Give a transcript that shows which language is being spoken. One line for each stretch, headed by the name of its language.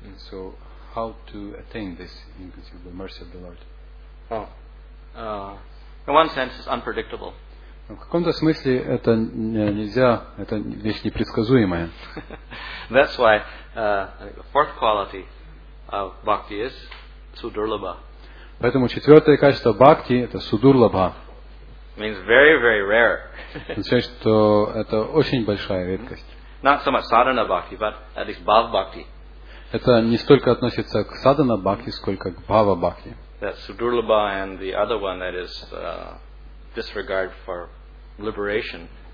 English: So how to attain this inconceivable mercy of the Lord? In one sense, it's unpredictable.
Russian: В каком-то смысле это нельзя, это вещь непредсказуемая.
English: That's why the fourth quality of bhakti is sudurlabha.
Russian: Поэтому четвертое качество бхакти это судурлабха.
English: Means very, very rare.
Russian: Означает, что это очень большая редкость.
English: not so much sadhana bhakti, but at least bhava bhakti.
Russian: Это не столько относится к садхана бхакти, сколько к бхава бхакти.
English: That sudurlabha and the other one that is disregard for liberation.